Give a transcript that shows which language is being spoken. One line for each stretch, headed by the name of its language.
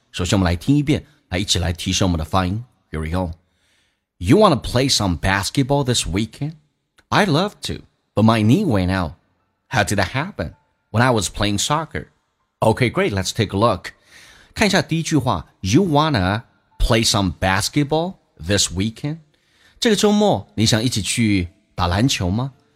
Chinese: 首先我们来听一遍，来一起来提升我们的发音。
English: Here we go。 You want to play some basketball this weekend? I'd love to, but my knee went out. How did that happen? When I was playing soccer. Okay, great, let's take a look.
Chinese: 看一下第一句话，
English: You want to play some basketball this weekend?
Chinese: 这个周末你想一起去打篮球吗？